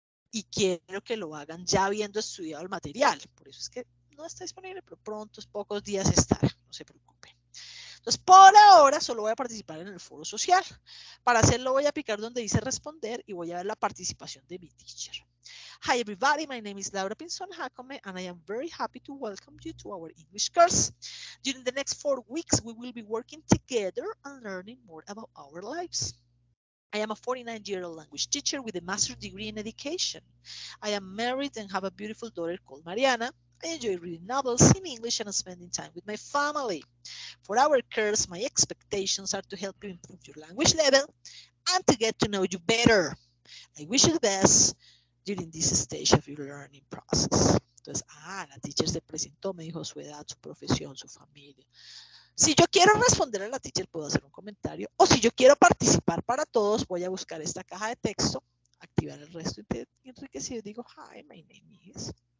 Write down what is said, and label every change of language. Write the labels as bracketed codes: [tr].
[es] Y quiero que lo hagan ya habiendo estudiado el material. Por eso es que no está disponible, pero pronto, en pocos días estará, no se preocupen. Entonces, por ahora solo voy a participar en el foro social. Para hacerlo voy a picar donde dice responder y voy a ver la participación de mi teacher. [en] Hi everybody, my name is Laura Pinson-Jacome and I am very happy to welcome you to our English course. During the next 4 weeks, we will be working together and learning more about our lives. I am a 49-year-old language teacher with a master's degree in education. I am married and have a beautiful daughter called Mariana. I enjoy reading novels in English and spending time with my family. For our course, my expectations are to help you improve your language level and to get to know you better. I wish you the best during this stage of your learning process. [es] Entonces, la teacher se presentó, me dijo su edad, su profesión, su familia. Si yo quiero responder a la teacher, puedo hacer un comentario. O si yo quiero participar para todos, voy a buscar esta caja de texto, activar el resto y enriquecido. Digo, [en] hi, my name is...